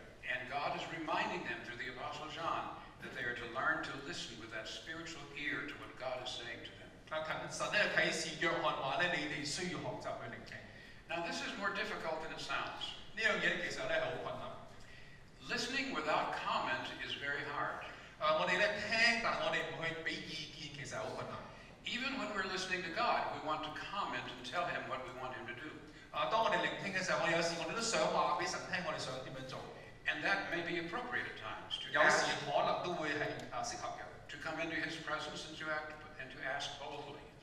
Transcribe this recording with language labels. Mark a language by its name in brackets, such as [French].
[English] and God is reminding them through the Apostle John that they are to learn to listen with spiritual ear to what God is saying to them. [Chinese] 神呢,啟示約翰說呢, [English] now this is more difficult than it sounds. [Chinese] 这件事呢, [English] listening without comment is very hard. [Chinese] 我们呢,听,但我们不会给意见, [English] even when we're listening to God, we want to comment and tell him what we want him to do. [Chinese] 当我们聆听的时候, [English] and that may be appropriate at times. [Chinese] 有时可能都会是, [English] to come into his presence and to ask boldly.